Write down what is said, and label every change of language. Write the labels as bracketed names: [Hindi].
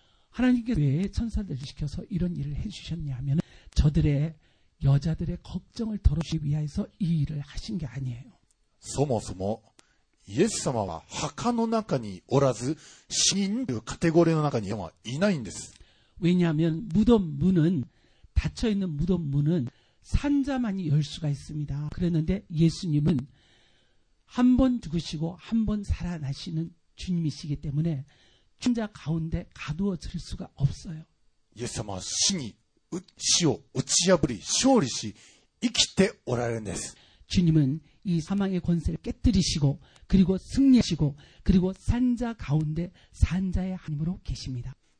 [Korean] 하나님께서 왜 천사들을 시켜서 이런 일을 해주셨냐면 저들의 여자들의 걱정을 덜어주기 위해서 이 일을 하신 게 아니에요. 소모소모 [Japanese] イエス様は墓の中におらず死人というカテゴリーの中にはいないんです. [Korean] 왜냐하면 무덤 문은 닫혀 있는 무덤 문은 산자만이 열 수가 있습니다. 그랬는데 예수님은 한 번 죽으시고 한 번 살아나시는 주님이시기 때문에 죽자 가운데 가두어질 수가 없어요. [Japanese] 예수様は死を打ち破り勝利し生きておられるんです. [Korean] 주님은 이 사망의 권세를 깨뜨리시고 그리고 승리하시고 그리고 산자 가운데 산자의 하나님으로 계십니다.